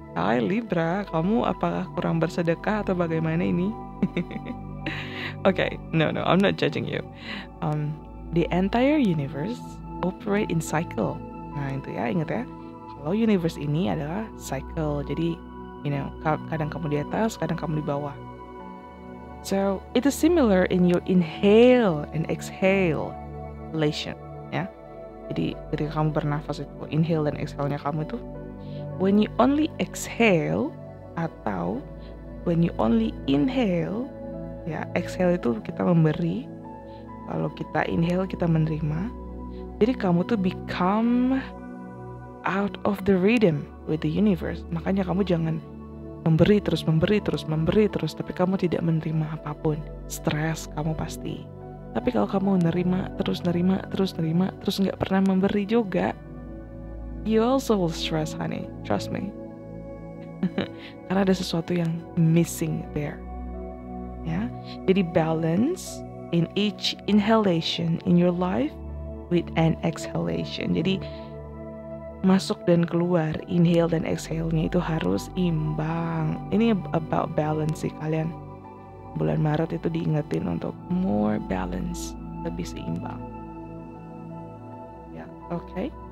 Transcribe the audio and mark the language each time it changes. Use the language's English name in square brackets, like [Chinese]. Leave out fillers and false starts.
[Indonesian] Hai Libra, kamu apakah kurang bersedekah atau bagaimana ini? [English] Okay, no, I'm not judging you. The entire universe operate in cycle. [Indonesian] Nah, itu ya, ingat ya. Kalau universe ini adalah cycle. Jadi, [English] you know, [Indonesian] kadang kamu di atas, kadang kamu di bawah. [English] So, it is similar in your inhale and exhale relation, ya. [Indonesian] Jadi, ketika kamu bernafas itu, inhale dan exhale-nya kamu itu, [English] when you only exhale, [Indonesian] atau [English] when you only inhale, [Indonesian] ya, exhale itu kita memberi. Kalau kita inhale, kita menerima. Jadi, kamu tuh [English] become out of the rhythm with the universe. [Indonesian] Makanya kamu jangan memberi terus, tapi kamu tidak menerima apapun. Stres kamu pasti. Tapi kalau kamu nerima, terus nggak pernah memberi juga, [English] you also will stress, honey. Trust me. [Indonesian] Karena ada sesuatu yang [English] missing there. [Indonesian] Ya? [English] Jadi balance in each inhalation in your life with an exhalation. [Indonesian] Jadi masuk dan keluar, inhale dan exhale-nya itu harus imbang. Ini [English] about balance [Indonesian] sih kalian. Bulan Maret itu diingetin untuk [English] more balance, [Indonesian] lebih seimbang. Ya, okay.